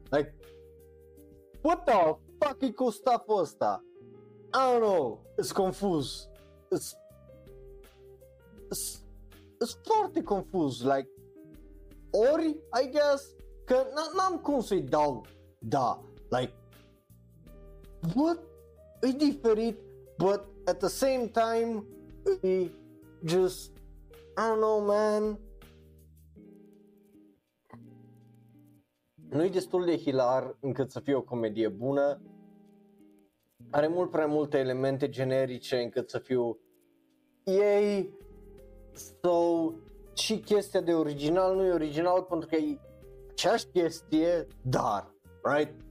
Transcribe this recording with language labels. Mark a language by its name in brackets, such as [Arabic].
[English] Like, what the fuck [Romanian] e cu stuff-ul ăsta? [English] I don't know, [Romanian] e-s confuz. E-s foarte confuz, like, ori, [English] I guess, [Romanian] că n-am cum să-i dau da, like, what? E diferit, [English] but at the same time, he just, I don't know, man. [Romanian] Nu-i destul de hilar încât să fie o comedie bună. Are mult prea multe elemente generice încât să fiu ei. So, și chestia de original nu e original pentru că e aceeași chestie, dar, right?